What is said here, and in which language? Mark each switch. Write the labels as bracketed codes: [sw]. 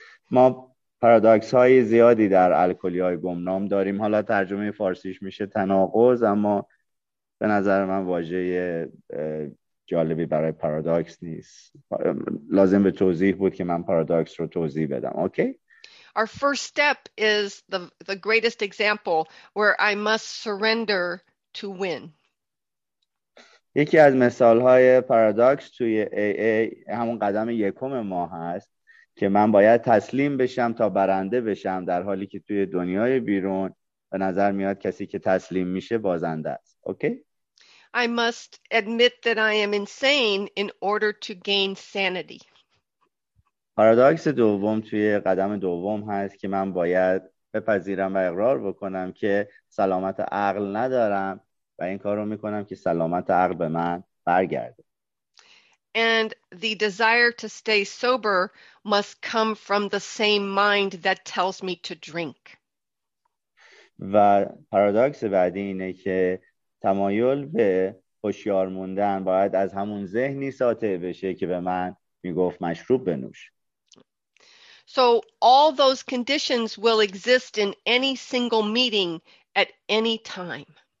[fa] ما پارادوکس های زیادی در الکلی های گمنام داریم. حالا ترجمه فارسیش میشه تناقض، اما به نظر من واژه جا جالبی برای پارادوکس نیست. لازم به توضیح بود که من پارادوکس رو توضیح بدم. [en] Okay? Our first step is the greatest example where I must surrender to win. [fa] یکی از مثال‌های پارادوکس توی AA همون قدم یکم ما هست که من باید تسلیم بشم تا برنده بشم، در حالی که توی دنیای بیرون به نظر میاد کسی که تسلیم میشه بازنده است. [en] Okay? I must admit that I am insane in order to gain sanity. [fa] پارادوکس دوم توی قدم دوم هست که من باید بپذیرم و اقرار بکنم که سلامت عقل ندارم و این کار رو میکنم که سلامت عقل به من برگرده. [en] And the desire to stay sober must come from the same mind that tells me to drink. [fa] و پارادوکس بعدی اینه که تمایل به هوشیار موندن باید از همون ذهنی ساطع بشه که به من میگفت مشروب بنوش. [en] So all those conditions will exist in any single meeting at any time.